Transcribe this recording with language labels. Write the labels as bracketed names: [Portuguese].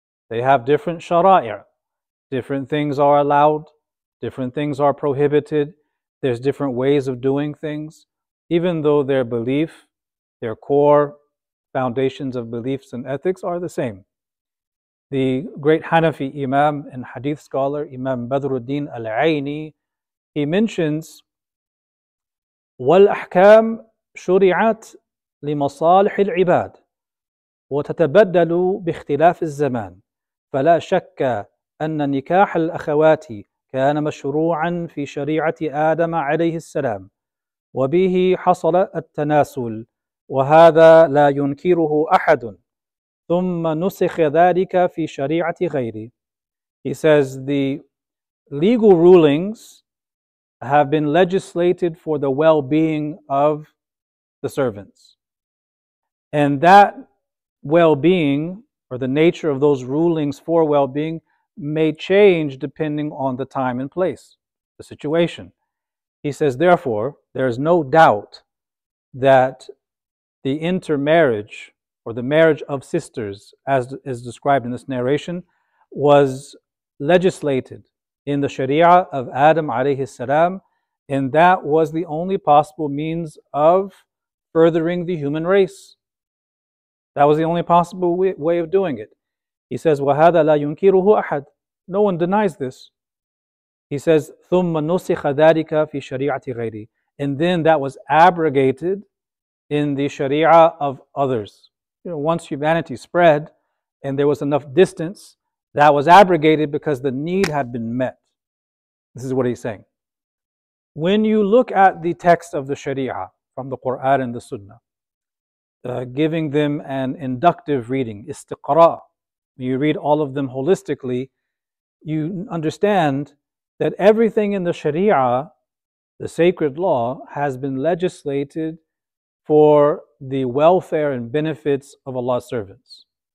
[English] They have different shara'ir. Different things are allowed. Different things are prohibited. There's different ways of doing things. Even though their belief, their core foundations of beliefs and ethics are the same. The great Hanafi Imam and Hadith scholar, Imam Badruddin Al-Ayni, he mentions, [Arabic] وَالْأَحْكَامُ شُرِعَتْ لِمَصَالِحِ الْعِبَادِ وَتَتَبَدَّلُ بِاخْتِلَافِ الزَّمَانِ فَلَا شَكَّ أَنَّ نِكَاحَ الْأَخَوَاتِ كَانَ مَشْرُوعًا فِي شَرِيعَةِ آدَمَ عَلَيْهِ السَّلَامِ وَبِهِ حَصَلَ التَّنَاسُلُ وَهَذَا لَا يُنْكِرُهُ أَحَدٌ ثُمَّ نُسِخَ ذَلِكَ فِي شَرِيعَةِ غَيْرِ. [English] He says the legal rulings have been legislated for the well-being of the servants. And that well-being, or the nature of those rulings for well-being, may change depending on the time and place, the situation. He says, therefore, there is no doubt that the intermarriage, or the marriage of sisters, as is described in this narration, was legislated in the Sharia of Adam alayhi salam, and that was the only possible means of furthering the human race. That was the only possible way of doing it. He says, [Arabic] وَهَذَا لَا يُنْكِرُهُ أَحَدٌ. [English] No one denies this. He says, [Arabic] ثُمَّ نُسِخَ ذَلِكَ فِي شَرِيعَةِ غَيْرِ. [English] And then that was abrogated in the Sharia of others. You know, once humanity spread and there was enough distance, that was abrogated because the need had been met. This is what he's saying. When you look at the text of the Sharia from the Quran and the Sunnah, giving them an inductive reading, istiqra, you read all of them holistically, you understand that everything in the Sharia, the sacred law, has been legislated for the welfare and benefits of Allah's servants.